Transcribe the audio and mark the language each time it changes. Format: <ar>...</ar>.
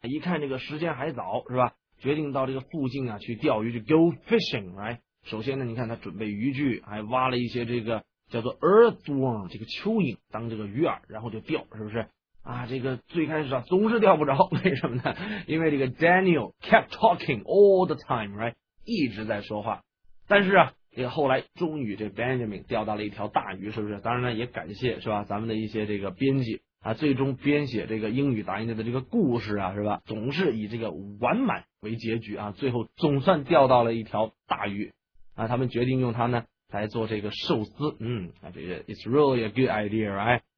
<zh>一看这个时间还早，是吧？决定到这个附近啊去钓鱼，去</zh> <en>go fishing, right?</en> <zh>首先呢，你看他准备渔具，还挖了一些这个叫做 earthworm 这个蚯蚓当这个鱼饵，然后就钓，是不是？啊，这个最开始啊总是钓不着，为什么呢？因为这个</zh> <en>Daniel kept talking all the time, right?</en> <zh>一直在说话。但是啊，这个后来终于这 Benjamin 钓到了一条大鱼，是不是？当然呢，也感谢是吧？咱们的一些这个编辑啊，最终编写这个英语大赢家的这个故事啊，是吧？总是以这个完满为结局啊，最后总算钓到了一条大鱼啊，他们决定用它呢来做这个寿司。嗯，啊，这个</zh> <en>it's really a good idea, right?</en>